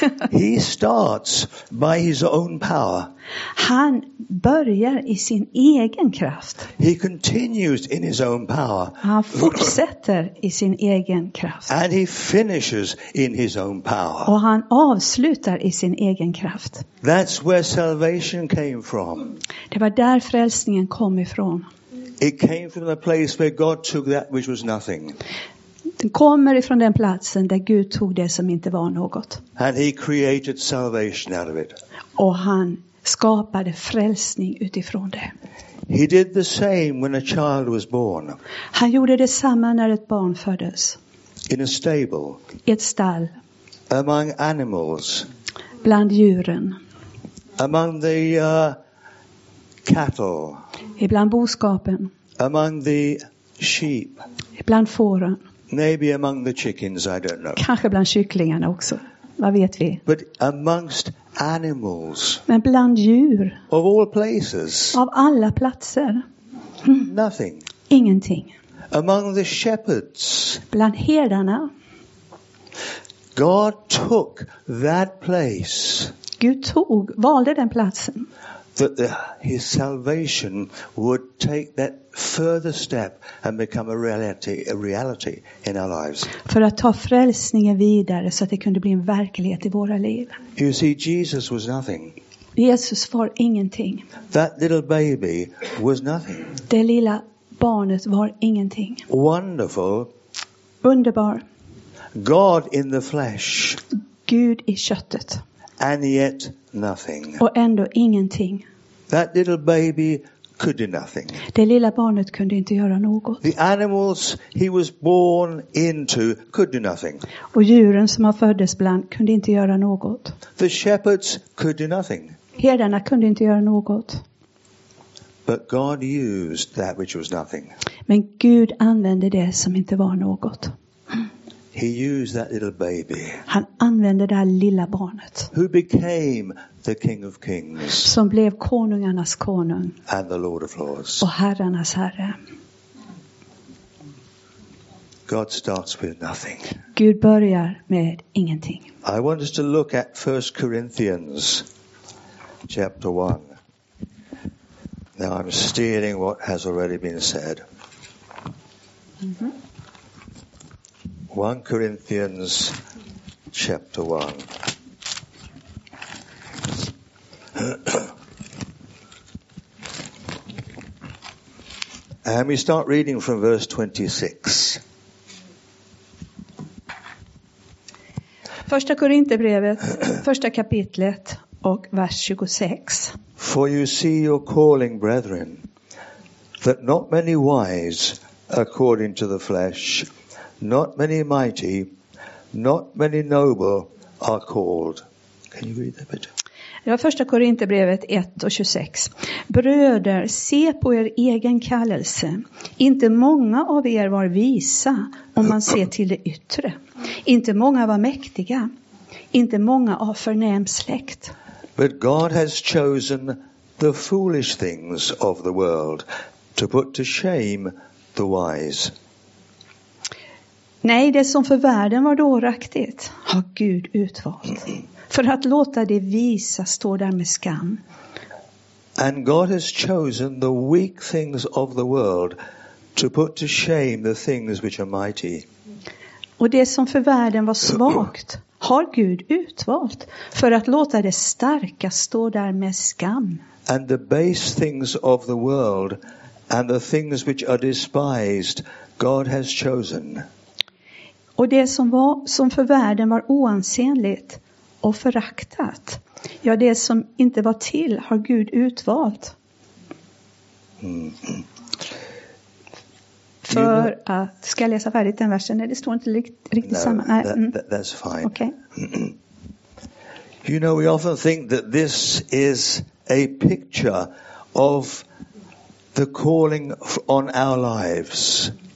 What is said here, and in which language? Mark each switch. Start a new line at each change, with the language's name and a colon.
English: He starts by his own power.
Swedish: Han börjar i sin egen kraft.
English: He continues in his own power.
Swedish: Han fortsätter i sin egen kraft.
English: And he finishes in his own power.
Swedish: Och han avslutar i sin egen kraft.
English: That's where salvation came from.
Swedish: Det var där frälsningen kom ifrån.
English: It came from the place where God took that which was nothing.
Swedish: Den kommer ifrån den platsen där Gud tog det som inte var något.
English: And he created salvation out of it.
Swedish: Och han skapade frälsning utifrån det.
English: He did the same when a child was born.
Swedish: Han gjorde detsamma när ett barn föddes.
English: In a stable.
Swedish: I ett stall.
English: Among animals.
Swedish: Bland djuren.
English: Among the cattle.
Swedish: Ibland boskapen.
English: Among the sheep.
Swedish: Ibland fåren.
English: Maybe among the chickens, I don't know.
Swedish: Kanske bland kycklingarna också. Vad vet vi?
English: But amongst animals.
Swedish: Men bland djur.
English: Of all places.
Swedish: Av alla platser.
English: Nothing.
Swedish: Ingenting.
English: Among the shepherds.
Swedish: Bland herdarna.
English: God took that place.
Swedish: Gud tog, valde den platsen.
English: That his salvation would take that further step and become a reality in our lives.
Swedish: För att ta frälsningen vidare så att det kunde bli en verklighet i våra liv.
English: You see, Jesus was nothing.
Swedish: Jesus var ingenting.
English: That little baby was nothing.
Swedish: Det lilla barnet var ingenting.
English: Wonderful.
Swedish: Underbar.
English: God in the flesh.
Swedish: Gud i köttet.
English: And yet nothing.
Swedish: Och ändå ingenting.
English: That little baby could do nothing.
Swedish: Det lilla barnet kunde inte göra något.
English: The animals he was born into could do nothing.
Swedish: Och djuren som han föddes bland kunde inte göra något.
English: The shepherds could do nothing.
Swedish: Herdarna kunde inte göra något.
English: But God used that which was nothing.
Swedish: Men Gud använde det som inte var något.
English: He used that little baby.
Swedish: Han använde det här lilla barnet.
English: Who became the King of Kings?
Swedish: Som blev konungarnas konung.
English: And the Lord of Lords.
Swedish: Och herrarnas herre.
English: God starts with nothing.
Swedish: Gud börjar med ingenting.
English: I want us to look at 1 Corinthians chapter 1. Now I'm stealing what has already been said. 1 Corinthians chapter 1. And we start reading from verse 26.
Swedish: Första Korinthierbrevet, första kapitlet och vers 26.
English: For you see your calling, brethren, that not many wise according to the flesh, not many mighty, not many noble are called. Can you read that bit?
Swedish: Det var första Korinthierbrevet 1 och 26. Bröder, se på er egen kallelse. Inte många av er var visa om man ser till det yttre. Inte många var mäktiga. Inte många av förnäm släkt.
English: But God has chosen the foolish things of the world to put to shame the wise.
Swedish: Nej, det som för världen var dåraktigt har Gud utvalt. För att låta det visa stå där med skam.
English: And God has chosen the weak things of the world to put to shame the things which are mighty.
Swedish: Och det som för världen var svagt har Gud utvalt för att låta det starka stå där med skam.
English: And the base things of the world and the things which are despised God has chosen.
Swedish: Och det som för världen var oansenligt och föraktat. Ja, det som inte var till har Gud utvalt. För att, ska jag läsa färdigt den versen? Nej, det står inte riktigt samma. Nej,
English: that's fine. Okay. You know, we often think that this is a picture of the calling on our lives.